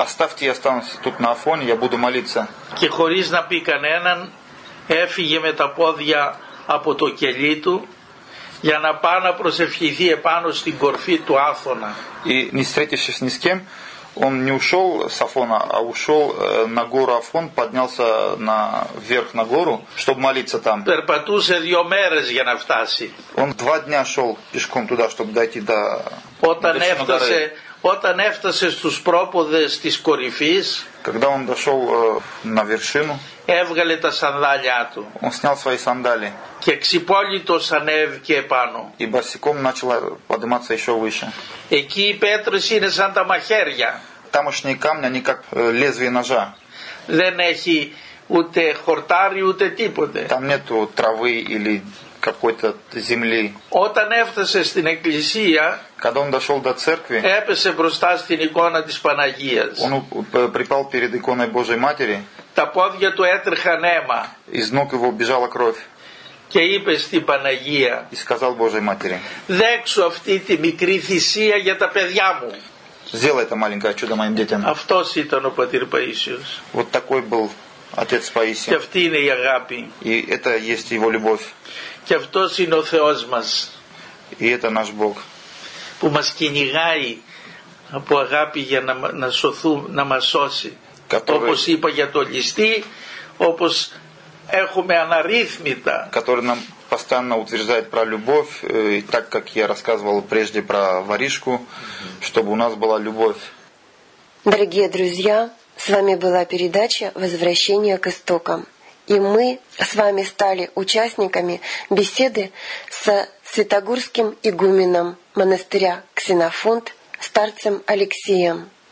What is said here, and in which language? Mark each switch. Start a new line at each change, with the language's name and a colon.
Russian: Оставьте, я останусь тут на Афоне, я буду молиться.
Greek: Και χωρίς να πει κανέναν, έφυγε με τα πόδια από το κελί του για να πάει να προσευχηθεί επάνω στην κορφή του Άθωνα.
Russian: И не встретившись ни с кем, он не ушел с Афона, а ушел на гору Афон, поднялся наверх на гору, чтобы молиться там.
Greek: Περπατούσε δύο μέρες για να φτάσει.
Russian: Он два дня шел пешком туда, чтобы дойти до.
Greek: Όταν έφτασε. Όταν έφτασε στους πρόποδες της κορυφής,
Russian: когда он дошел на вершину,
Greek: έβγαλε τα σανδάλια του,
Russian: он снял свои сандали,
Greek: και ξυπόλυτος ανέβηκε επάνω,
Russian: и босиком начал подниматься еще выше.
Greek: Εκεί οι πέτρες είναι σαν τα μαχαίρια,
Russian: тамошние камни, они как лезвие ножа,
Greek: δεν έχει ούτε χορτάρι ούτε τίποτε,
Russian: там нету травы или какой-то земли.
Greek: Όταν έφτασε στην εκκλησία,
Russian: когда он дошел до церкви,
Greek: έπεσε μπροστά στην εικόνα της Παναγίας.
Russian: Он припал перед иконой Божьей Матери.
Greek: Τα πόδια του έτρεχαν αίμα.
Russian: Из ног его бежала кровь.
Greek: Και είπε στην Παναγία.
Russian: И сказал Божьей Матери.
Greek: Δέξω αυτή τη μικρή θυσία για τα παιδιά μου.
Russian: Сделай это маленькое чудо моим детям.
Greek: Αυτός ήταν ο πατήρ Παΐσιος.
Russian: Вот такой был отец Паисий.
Greek: Και αυτή είναι η αγάπη.
Russian: И это есть его любовь.
Greek: Και αυτός είναι ο Θεός μας.
Russian: И это наш Бог.
Greek: Που μας κυνηγάει από αγάπη για να σωθούν, να μας σώσει. Όπως είπα για το ληστή, όπως έχουμε αναρρύθμιτα.
Russian: Который нам постоянно утверждает про любовь, и так как я рассказывал прежде про воришку, чтобы у нас была любовь. Дорогие друзья, с вами была передача «Возвращение к истокам». И мы с вами стали участниками беседы со святогорским игуменом монастыря Ксенофонт, старцем Алексеем.